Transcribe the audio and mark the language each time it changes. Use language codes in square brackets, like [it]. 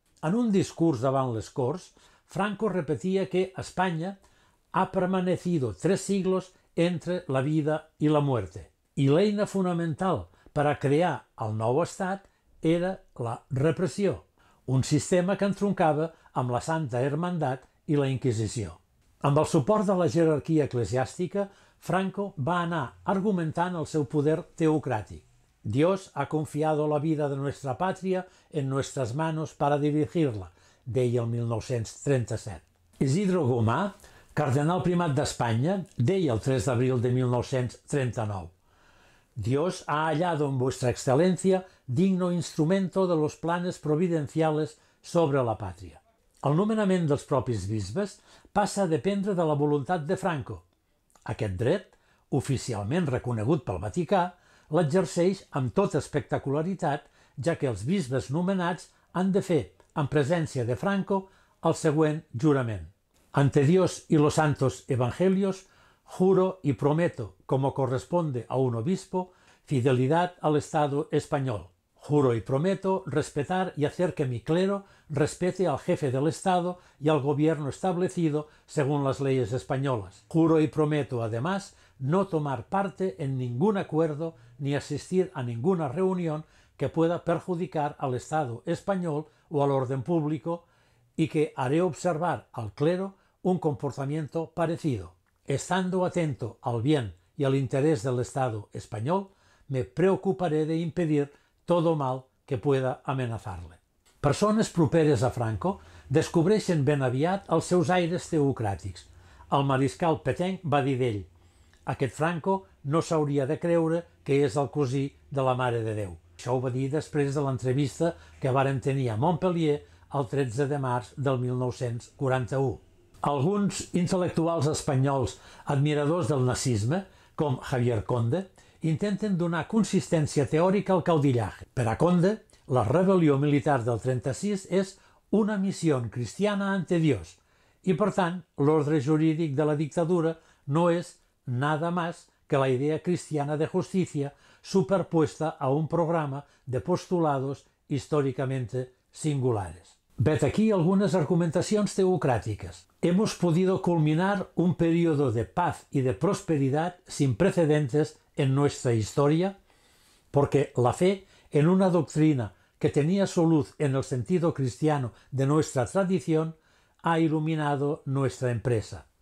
[ca] En un discurs davant les Corts, Franco repetia que Espanya [es] ha permanecido tres siglos entre la vida i la muerte, [ca] i l'eina fonamental per a crear el nou estat era la repressió, un sistema que entroncava amb la Santa Hermandat i la Inquisició. Amb el suport de la jerarquia eclesiàstica, Franco va anar argumentant el seu poder teocràtic. [es] Dios ha confiado la vida de nuestra patria en nuestras manos para dirigirla, [ca] deia el 1937. [es] Isidro Gomà, [ca] cardenal primat d'Espanya, deia el 3 d'abril de 1939: [es] Dios ha hallado en vuestra excelencia digno instrumento de los planes providenciales sobre la patria. [ca] El nomenament dels propis bisbes passa a dependre de la voluntat de Franco. Aquest dret, oficialment reconegut pel Vaticà, l'exerceix amb tota espectacularitat, ja que els bisbes nomenats han de fer, en presència de Franco, el següent jurament: [es] Ante Dios y los santos evangelios, juro y prometo, como corresponde a un obispo, fidelidad al Estado español. Juro y prometo respetar y hacer que mi clero respete al jefe del Estado y al gobierno establecido según las leyes españolas. Juro y prometo, además, no tomar parte en ningún acuerdo ni asistir a ninguna reunión que pueda perjudicar al Estado español o al orden público, y que haré observar al clero un comportamiento parecido. Estando atento al bien y al interés del Estado español, me preocuparé de impedir todo mal que pueda amenazarle. [ca] Persones properes a Franco descobreixen ben aviat els seus aires teocràtics. El mariscal Petain va dir d'ell: aquest Franco no s'hauria de creure que és el cosí de la Mare de Déu. Això ho va dir després de l'entrevista que varen tenir a Montpellier el 13 de març del 1941. Alguns intel·lectuals espanyols admiradors del nazisme, com Javier Conde, intenten donar consistència teòrica al caudillaje. Per a Conde, la rebel·lió militar del 36 és una missió cristiana [es] ante Dios, [ca] i per tant, l'ordre jurídic de la dictadura no és [es] nada más que la idea cristiana de justícia superpuesta a un programa de postulados históricamente singulares. [ca] Vet aquí algunes argumentacions teocràtiques. [es] Hemos podido culminar un periodo de paz y de prosperidad sin precedentes en nuestra historia, porque la fe en una doctrina que tenía su luz en el sentido cristiano de nuestra tradición ha iluminado nuestra empresa.